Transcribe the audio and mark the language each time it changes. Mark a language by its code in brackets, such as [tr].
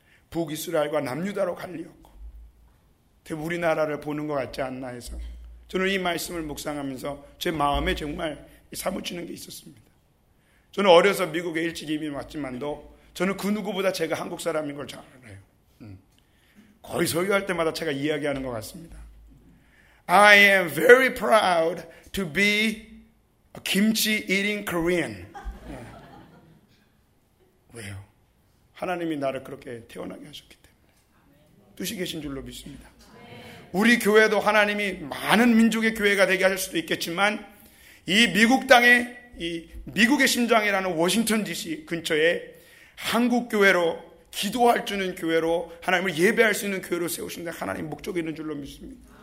[ko] 북이스라엘과 남유다로 갈리었고 우리나라를 보는 것 같지 않나 해서 저는 이 말씀을 묵상하면서 제 마음에 정말 사무치는 게 있었습니다. 저는 어려서 미국에 일찍 이민 왔지만도 저는 그 누구보다 제가 한국 사람인 걸 잘 알아요. 거의 설교할 때마다 제가 이야기하는 것 같습니다. [en] I am very proud to be a kimchi eating Korean. [ko] 왜요? 하나님이 나를 그렇게 태어나게 하셨기 때문에 뜻이 계신 줄로 믿습니다. 우리 교회도 하나님이 많은 민족의 교회가 되게 하실 수도 있겠지만 이 미국 땅에 이 미국의 심장이라는 워싱턴 DC 근처에 한국 교회로 기도할 줄 있는 교회로 하나님을 예배할 수 있는 교회로 세우신 데 하나님 목적이 있는 줄로 믿습니다.